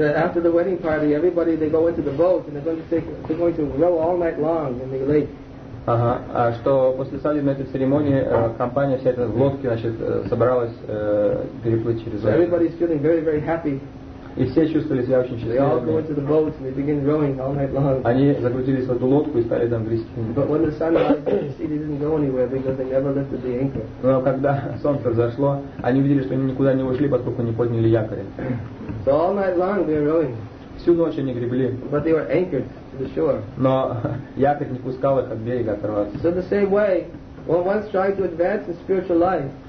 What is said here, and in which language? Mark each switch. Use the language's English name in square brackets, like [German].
[English] After the wedding party, everybody they go into the boat and they're going to row all night long in the lake. [Russian] Ага, а что после свадебной этой церемонии компания вся эта в лодке, значит, собралась переплыть через. [English] Everybody's feeling very, very happy. [Russian] И все чувствовали себя очень счастливыми. [English] They all go into the boat and they begin rowing all night long. [Russian] Они загрузились в эту лодку и стали там грести. [English] But when the sun rises, they didn't go anywhere because they never lifted the anchor. [Russian] Но когда солнце взошло, они увидели, что они никуда не ушли, поскольку не подняли якорь. [English] So all night long they were rowing. [Russian] Всю ночь они гребли. [English] But they were anchored to the shore. [Russian] Но якорь не пускал их от берега оторваться. [English] So the same way, when one's trying to advance in spiritual life.